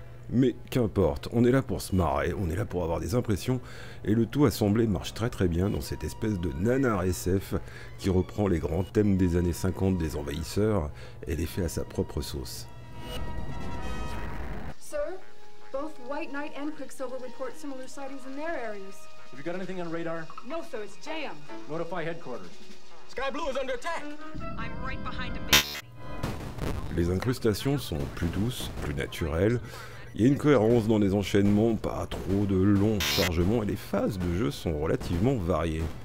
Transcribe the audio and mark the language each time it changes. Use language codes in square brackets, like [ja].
[fr] Mais qu'importe, on est là pour se marrer, on est là pour avoir des impressions, et le tout assemblé marche très très bien dans cette espèce de nanar SF qui reprend les grands thèmes des années 50 des envahisseurs et les fait à sa propre sauce. [en] Sir, both White Knight and Quicksilver report similar sightings in their areas. Have you got anything on radar? No, sir, it's jam. Notify headquarters. Sky Blue is under attack. I'm right behind a big. [fr] Les incrustations sont plus douces, plus naturelles. Il y a une cohérence dans les enchaînements, pas trop de longs chargements et les phases de jeu sont relativement variées.